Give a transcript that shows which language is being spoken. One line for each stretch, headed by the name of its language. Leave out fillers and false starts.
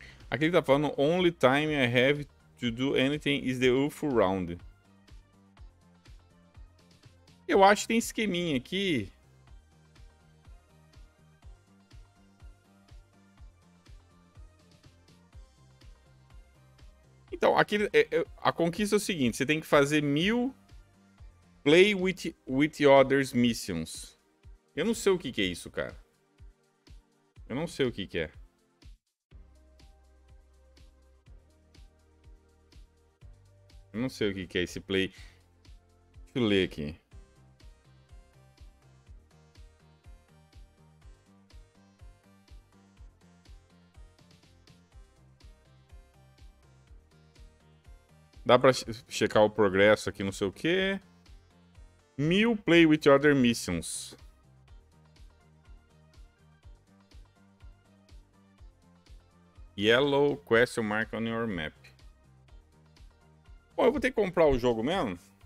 Portuguese: Aqui ele tá falando,
English: only time I have to do anything is the UFO round.
Portuguese: Eu acho que tem esqueminha aqui. Então, aqui a conquista é o seguinte. Você tem que fazer 1000 Play with Others Missions. Eu não sei o que é isso, cara. Eu não sei o que é. Eu não sei o que é esse play. Deixa eu ler aqui. Dá pra checar o progresso aqui, não sei o quê. 1000 Play with Other Missions.
English: Yellow question mark on your map.
Portuguese: Bom, eu vou ter que comprar o jogo mesmo.